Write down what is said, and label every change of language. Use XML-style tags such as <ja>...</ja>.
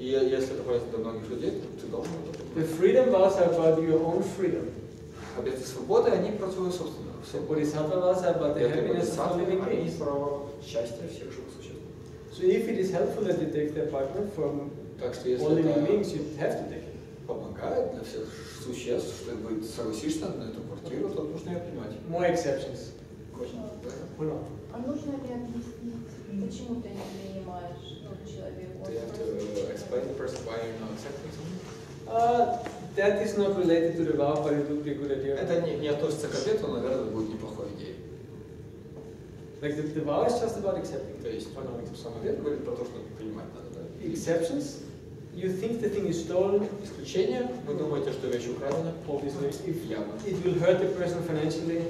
<ru>И если это полезно для многих людей, то ты должен.</ru> <en>The freedom vows are about your own freedom.</en> <ru>Обеты свободы, они про твою собственную.</ru> <en>So Bodhisattva vows are about the happiness of living beings.</en> <ru>Про счастье всех живых существ.</ru> <en>So if it is helpful that you take their partner from all living beings, you have to take it.</en> <ru>Помогает для всех существ, что вы согласишься на эту квартиру, то нужно ее принимать.</ru> <en>More exceptions.</en> <ru>А нужно ли объяснить, почему ты не принимаешь этого человека?</ru> <en>Do you have to explain the person why you're not accepting something? That is not related to the vow, but it would be a good idea.</en> <ru>Это не относится к обету, наверное, будет неплохой идеей.</ru> <en>Like the vow is just about accepting.</en> <ru>То есть, понял, это самое верное, говорит про то, что принимать надо, да?</ru> <en>Exceptions? You think the thing is stolen?</en> <ru>Исключение? Вы думаете, что вещь украдена?</ru> <en>Obviously. If яма. It will hurt the person financially.</en>